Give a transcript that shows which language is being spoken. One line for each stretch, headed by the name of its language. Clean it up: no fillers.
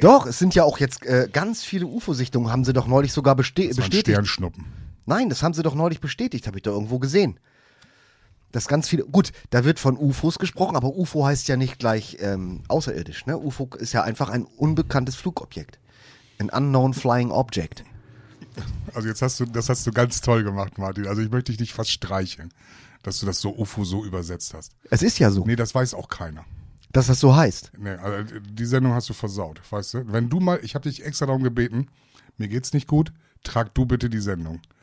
German: Doch, es sind ja auch jetzt ganz viele UFO-Sichtungen, haben sie doch neulich sogar bestätigt. Das waren Sternschnuppen. Nein, das haben sie doch neulich bestätigt, habe ich da irgendwo gesehen. Das ganz viele, gut, da wird von UFOs gesprochen, aber UFO heißt ja nicht gleich außerirdisch, ne? UFO ist ja einfach ein unbekanntes Flugobjekt.
English: An unknown flying object.
German: Also jetzt hast du ganz toll gemacht, Martin. Also ich möchte dich nicht fast streicheln, dass du das so UFO so übersetzt hast. Es ist ja so. Nee, das weiß auch keiner. Dass das so heißt. Nee, also die Sendung hast du versaut, weißt du? Wenn du mal, ich habe dich extra darum gebeten, mir geht's nicht gut, trag du bitte die Sendung.